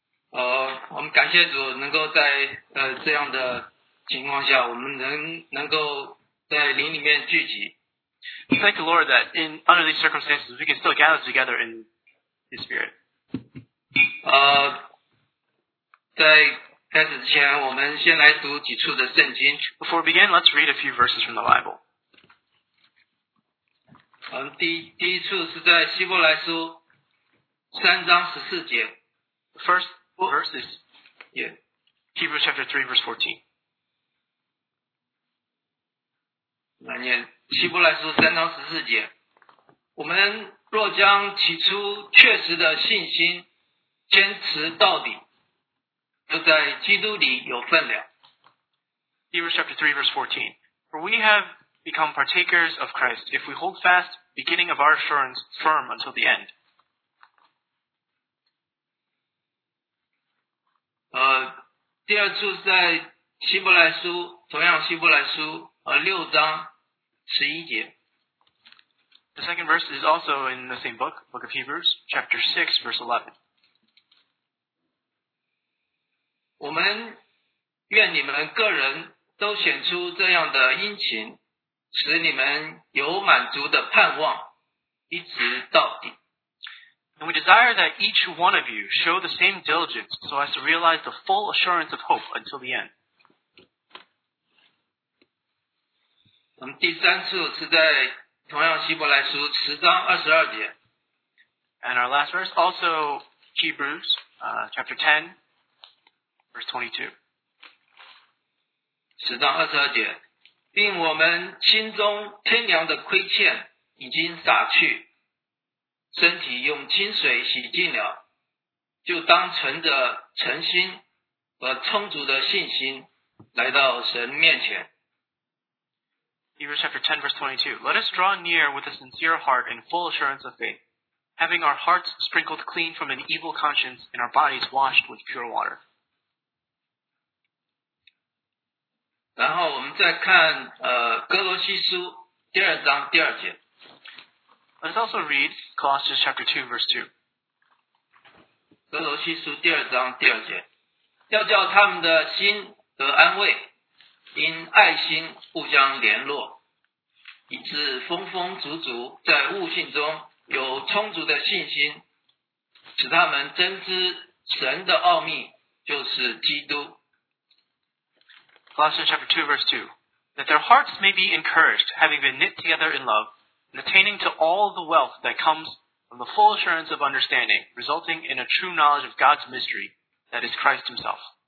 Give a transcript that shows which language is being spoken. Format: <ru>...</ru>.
<zh>我们感谢主能够在这样的情况下，我们能够在灵里面聚集。</zh> <en>Thank the Lord that in under these circumstances we can still gather together in His Spirit.</en> <zh>在开始之前，我们先来读几处的圣经。</zh> <en>Before we begin, let's read a few verses from the Bible.</en> <zh>第一处是在希伯来书三章十四节。</zh> <en>First verse is yeah. Hebrews chapter 3 verse 14.</en> <zh>来念希伯来书三章十四节。我们若将起初确实的信心坚持到底，就在基督里有份了。</zh> <en>Hebrews chapter 3 verse 14. For we have become partakers of Christ if we hold fast beginning of our assurance firm until the end.</en> <zh>第二处在希伯来书，同样希伯来书六章十一节。</zh> <en>The second verse is also in the same book, Book of Hebrews, chapter 6 verse 11.</en> <zh>我们愿你们个人都显出这样的殷勤，使你们有满足的盼望，一直到底。</zh> <en>And we desire that each one of you show the same diligence so as to realize the full assurance of hope until the end.</en> <zh>第三处是在同样希伯来书十章二十二节。</zh> <en>And our last verse, also Hebrews, chapter 10. Verse 22.</en> <zh>十章二十二节，并我们心中天良的亏欠已经洒去，身体用清水洗净了，就当存着诚心和充足的信心来到神面前。</zh> <en>Hebrews chapter 10, verse 22. Let us draw near with a sincere heart and full assurance of faith, having our hearts sprinkled clean from an evil conscience and our bodies washed with pure water.</en> <zh>然后我们再看哥罗西书第二章第二节。</zh> <en>Let's also read Colossians chapter 2 verse 2.</en> <zh>哥罗西书第二章第二节，要叫他们的心得安慰，因爱心互相联络，以致丰丰足足，在悟性中有充足的信心，使他们真知神的奥秘，就是基督。</zh> <en>Colossians chapter 2 verse 2, that their hearts may be encouraged, having been knit together in love, and attaining to all the wealth that comes from the full assurance of understanding, resulting in a true knowledge of God's mystery, that is Christ himself.</en>